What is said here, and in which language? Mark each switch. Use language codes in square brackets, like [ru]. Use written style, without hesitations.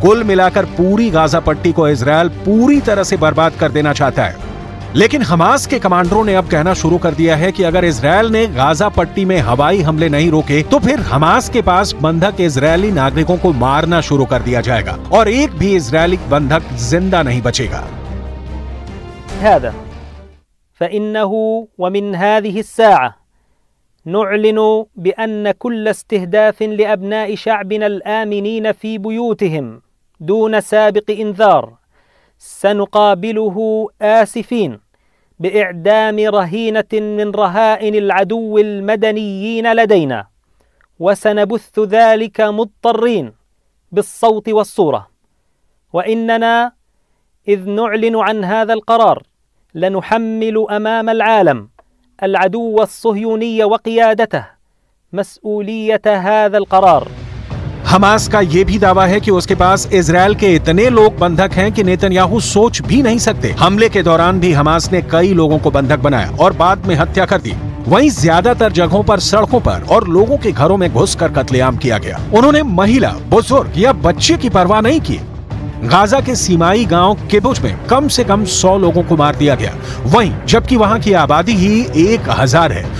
[hi] कुल मिलाकर पूरी गाजा पट्टी को इसराइल पूरी तरह से बर्बाद कर देना चाहता है। लेकिन हमास के कमांडरों ने अब कहना शुरू कर दिया है कि अगर इसराइल ने गाजा पट्टी में हवाई हमले नहीं रोके तो फिर हमास के पास बंधक इजरायली नागरिकों को मारना शुरू कर दिया जाएगा और एक भी इजरायली बंधक जिंदा नहीं बचेगा। [ar] فإنه ومن هذه الساعة نعلن بأن كل استهداف لأبناء شعبنا الآمنين في بيوتهم دون سابق انذار سنقابله آسفين بإعدام رهينة من رهائن العدو المدنيين لدينا وسنبث ذلك مضطرين بالصوت والصورة وإننا إذ نعلن عن هذا القرار لنحمل أمام العالم العدو الصهيوني وقيادته مسؤولية هذا القرار। [hi] हमास का ये भी दावा है कि उसके पास इसराइल के इतने लोग बंधक हैं कि नेतन्याहू सोच भी नहीं सकते। हमले के दौरान भी हमास ने कई लोगों को बंधक बनाया और बाद में हत्या कर दी। वहीं ज्यादातर जगहों पर सड़कों पर और लोगों के घरों में घुसकर कत्लेआम किया गया। उन्होंने महिला, बुजुर्ग या बच्चे की परवाह नहीं की। गाजा के सीमाई गांव किबुज में कम से कम 100 लोगों को मार दिया गया, वहीं जबकि वहां की आबादी ही 1,000 है।